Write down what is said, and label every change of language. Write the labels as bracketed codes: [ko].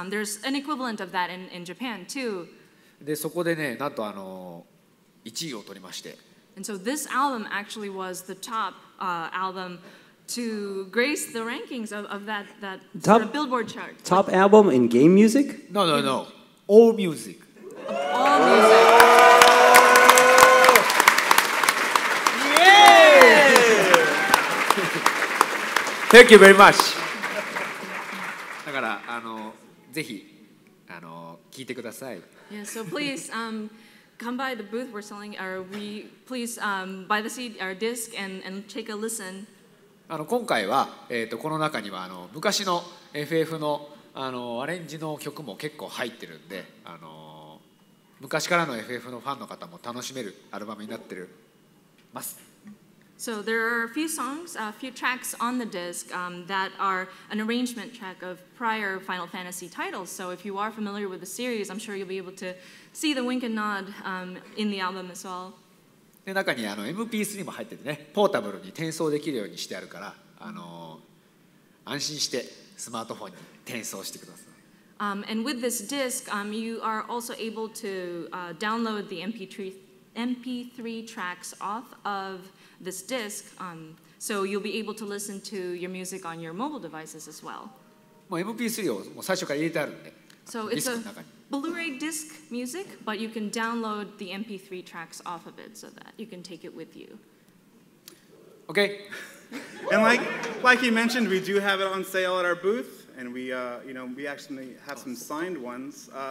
[en] There's an equivalent of that in Japan too. [ja] でそこでねなんとあの1位を取りまして。 [en] And so this album actually was the top album to grace the rankings of that top, sort of billboard chart. Top album in game music? No, no, no. All music. All music. Yay! Thank you very much. [ja] だからあのぜひあの聞いてください。 [en] Yeah, so please. Come by the booth we're selling, or we please buy the CD, our disc, and take a listen. [ja] あの今回は、この中にはあの昔の FF の, あのアレンジの曲も結構入ってるんで、あの昔からの FF のファンの方も楽しめるアルバムになってるます。 [en] So there are a few songs, a few tracks on the disc that are an arrangement track of prior Final Fantasy titles. So if you are familiar with the series, I'm sure you'll be able to see the wink and nod in the album as well. [ja] で中にあの MP3 も入っててね、ポータブルに転送できるようにしてあるから、あの安心してスマートフォンに転送してください。 [en] And with this disc, you are also able to download the MP3 tracks off of this disc, so you'll be able to listen to your music on your mobile devices as well. [ja] もう MP3 をもう最初から入れてあるんで。 [en] So it's a Blu-ray disc music, but you can download the MP3 tracks off of it so that you can take it with you. Okay. And like you mentioned, we do have it on sale at our booth, and we you know we actually have some signed ones.